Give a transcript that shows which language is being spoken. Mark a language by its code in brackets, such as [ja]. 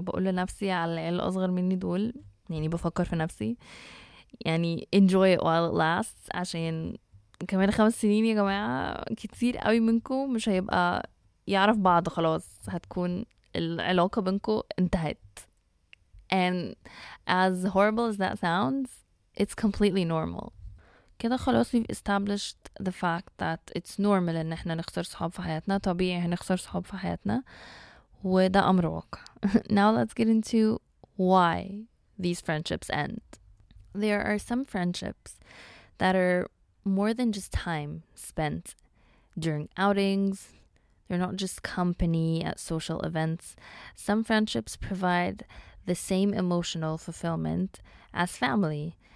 [ar] بقول لنفسي على العيال اصغر مني دول، يعني بفكر في نفسي يعني [en] enjoy it while it lasts، [ar] عشان كمان 5 سنين يا جماعة كتير قوي منكم مش هيبقى يعرف بعض، خلاص هتكون العلاقة بينكم انتهت. [en] And as horrible as that sounds, it's completely normal. [ar] كده خلاص [en] we've established the fact that it's normal [ar] ان احنا نخسر صحاب في حياتنا، طبيعي هنخسر صحاب في حياتنا وده امر واقع. [en] Now let's get into why these friendships end. There are some friendships that are more than just time spent during outings. They're not just company at social events. Some friendships provide the same emotional fulfillment as family.